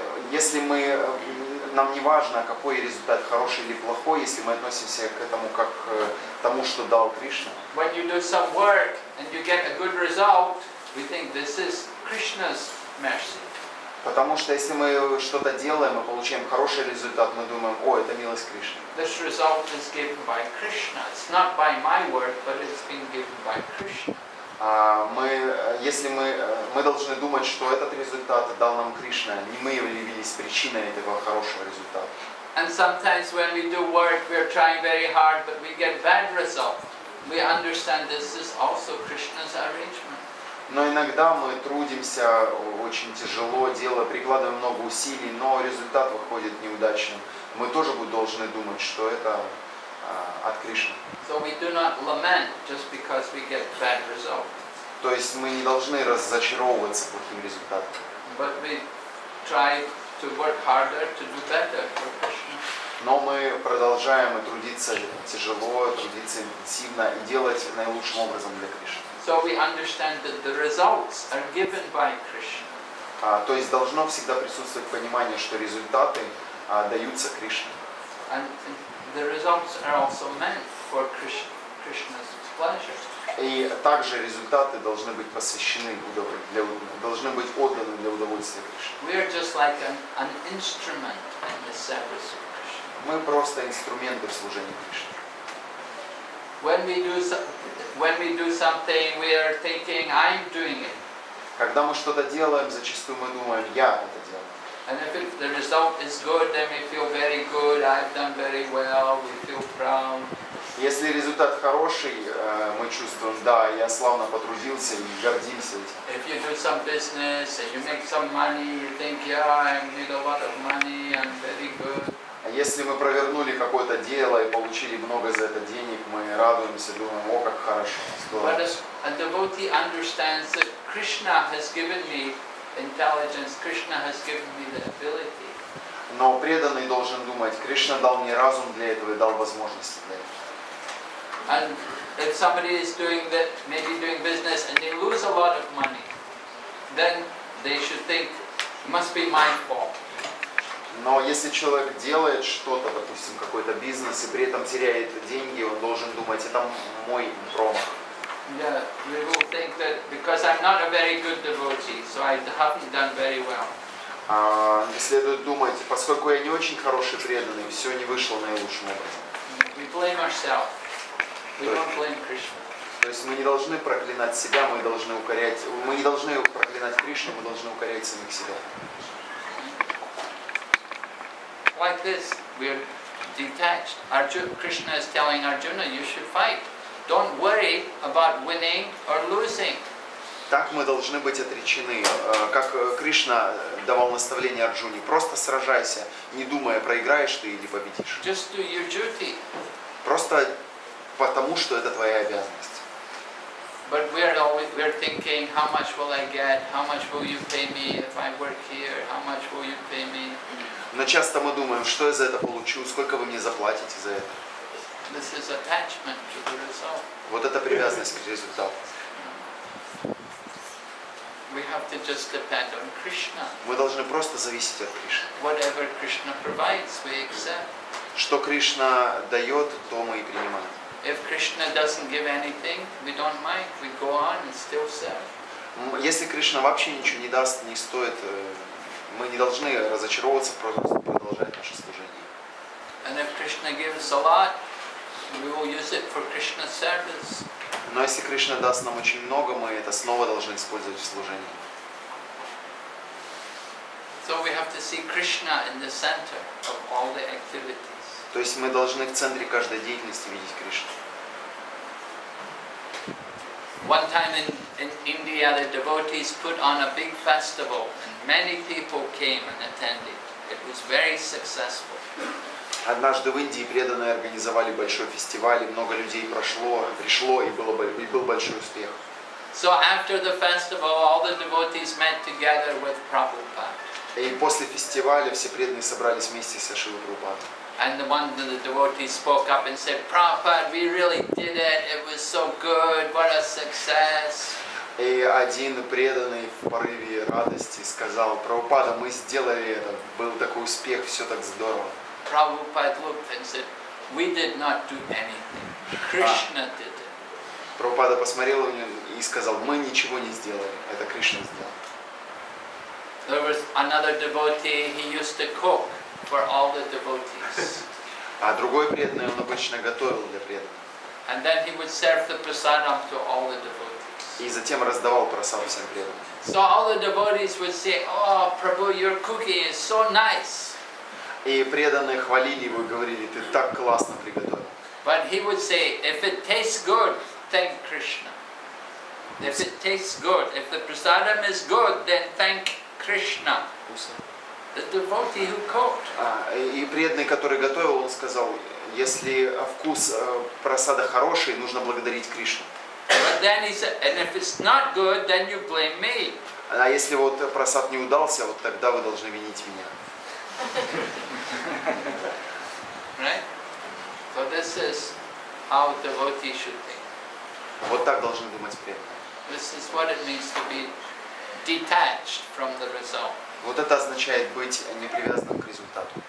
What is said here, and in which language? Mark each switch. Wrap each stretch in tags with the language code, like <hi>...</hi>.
<ru>Если мы нам не важно, какой результат, хороший или плохой, если мы относимся к этому как к тому, что дал Кришна.</ru> <en>When you do some work and you get a good result, we think this is Krishna's mercy.</en> <ru>Потому что если мы что-то делаем и получаем хороший результат, мы думаем, о, это милость Кришны.</ru> <en>This result is given by Krishna. It's not by my work, but it's been given by Krishna.</en> <ru>Мы должны думать, что этот результат дал нам Кришна, не мы являлись причиной этого хорошего результата.</ru> <en>And sometimes when we do work, we are trying very hard, but we get bad results. We understand this is also Krishna's arrangement.</en> <ru>Но иногда мы трудимся очень тяжело, прикладываем много усилий, но результат выходит неудачным. Мы тоже должны думать, что это от Кришны.</ru> <en>So we do not lament just because we get bad results.</en> <ru>То есть мы не должны разочаровываться плохим результатом.</ru> <en>But we try to work harder to do better for Krishna.</en> <ru>Но мы продолжаем трудиться тяжело, трудиться интенсивно и делать наилучшим образом для Кришны.</ru> <en>So we understand that the results are given by Krishna.</en> <ru>То есть должно всегда присутствовать понимание, что результаты даются Кришне.</ru> <en>And the results are also meant for Krishna's pleasure.</en> <ru>И также результаты должны быть посвящены должны быть отданы для удовольствия Кришны.</ru> <en>We are just like an instrument in the service of Krishna.</en> <ru>Мы просто инструменты в служении Кришне.</ru> <en>When we do something, we are thinking, I'm doing it.</en> <ru>Когда мы что-то делаем, зачастую мы думаем, я это делаю.</ru> <en>And if the result is good, then we feel very good. I've done very well. We feel proud.</en> <ru>Если результат хороший, мы чувствуем, да, я славно потрудился и гордимся этим.</ru> <en>If you do some business and you make some money, you think, yeah, I made a lot of money. I'm very good.</en> <ru>Если мы провернули какое-то дело и получили много за это денег, мы радуемся, думаем, о, как хорошо, здорово.</ru> <en>But a devotee understands that Krishna has given me intelligence, Krishna has given me the ability.</en> <ru>Но преданный должен думать, Кришна дал мне разум для этого и дал возможности для этого.</ru> <en>And if somebody is doing that, maybe doing business, and they lose a lot of money, then they should think, it must be my fault.</en> <ru>Но если человек делает что-то, допустим, какой-то бизнес, и при этом теряет деньги, он должен думать, это мой промах.</ru> <en>Yeah, we will think that because I'm not a very good devotee, so I haven't done very well.</en> <ru>Следует думать, поскольку я не очень хороший преданный, все не вышло наилучшим образом.</ru> <en>We blame ourselves. We don't blame Krishna.</en> <ru>То есть мы не должны проклинать себя, мы не должны проклинать Кришну, мы должны укорять самих себя.</ru> <en>Like this, we are detached. Krishna is telling Arjuna, you should fight. Don't worry about winning or losing.</en> <ru>Так мы должны быть отречены. Как Кришна давал наставление Арджуне, просто сражайся, не думая, проиграешь ты или победишь.</ru> <en>Just do your duty.</en> <ru>Просто потому, что это твоя обязанность.</ru> <en>But we are thinking, how much will I get? How much will you pay me if I work here? How much will you pay me?</en> <ru>Но часто мы думаем, что я за это получу, сколько вы мне заплатите за это.</ru> <en>This is attachment to the result.</en> <ru>Вот это привязанность к результату.</ru> <en>We have to just depend on Krishna.</en> <ru>Мы должны просто зависеть от Кришны.</ru> <en>Whatever Krishna provides, we accept.</en> <ru>Что Кришна дает, то мы и принимаем.</ru> <en>If Krishna doesn't give anything, we don't mind. We go on and still serve.</en> <ru>Если Кришна вообще ничего не даст, не стоит. Мы не должны разочаровываться, просто продолжать наше служение.</ru> <en>And if Krishna gives a lot, we will use it for Krishna's service.</en> <ru>Но если Кришна даст нам очень много, мы это снова должны использовать в служении.</ru> <en>So we have to see Krishna in the center of all the activities.</en> <ru>То есть мы должны в центре каждой деятельности видеть Кришну.</ru> <en>One time in India, the devotees put on a big festival, and many people came and attended. It was very successful.</en> <ru>Однажды в Индии преданные организовали большой фестиваль, и много людей прошло, пришло, и было, и был большой успех.</ru> <en>So after the festival, all the devotees met together with Prabhupada.</en> <ru>И после фестиваля все преданные собрались вместе со Шрилой Прабхупадой.</ru> <en>And one of the devotees spoke up and said, Prabhupada, we really did it. It was so good. What a success.</en> <ru>И один преданный в порыве радости сказал, Прабхупада, мы сделали это. Был такой успех, все так здорово.</ru> <en>Prabhupada looked and said, we did not do anything. Krishna did it.</en> <ru>Прабхупада посмотрел на него и сказал, мы ничего не сделали. Это Кришна сделал.</ru> <en>There was another devotee, he used to cook for all the devotees.</en> <ru>А другой преданный, он обычно готовил для преданных.</ru> <en>And then he would serve the prasadam to all the devotees.</en> <ru>И затем раздавал прасад всем преданным.</ru> <en>So all the devotees would say, oh, Prabhu, your cooking is so nice.</en> <ru>И преданные хвалили его и говорили, ты так классно приготовил.</ru> <en>But he would say, if it tastes good, thank Krishna. If it tastes good, if the prasadam is good, then thank Krishna. The devotee who cooked.</en> <ru>И преданный, который готовил, он сказал, если вкус прасада хороший, нужно благодарить Кришну.</ru> <en>But then he said, and if it's not good, then you blame me.</en> <ru>А если вот прасад не удался, вот тогда вы должны винить меня.</ru> <en>Right? So this is how the devotee should think.</en> <ru>Вот так должны думать преданные.</ru> <en>This is what it means to be detached from the result.</en> <ru>Вот это означает быть не привязанным к результату.</ru>